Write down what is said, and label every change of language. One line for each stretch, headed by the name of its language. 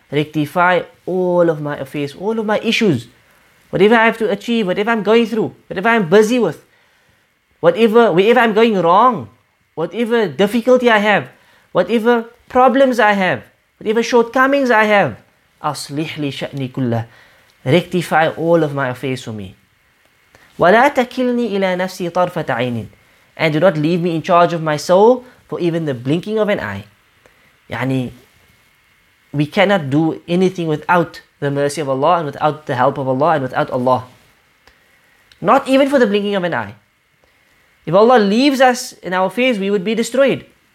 English: Rectify all of my affairs, all of my issues. Whatever I have to achieve, whatever I'm going through, whatever I'm busy with, wherever I'm going wrong, whatever difficulty I have, whatever problems I have, whatever shortcomings I have,
Arabic: أصلح لي شأني كله.
English: Rectify all of my affairs for me.
Arabic: ولا تكلني إلى نفسي طرفة عين.
English: and do not leave me in charge of my soul for even the blinking of an eye. Yani, we cannot do anything without the mercy of Allah and without the help of Allah and without Allah. Not even for the blinking of an eye. If Allah leaves us in our fears, we would be destroyed.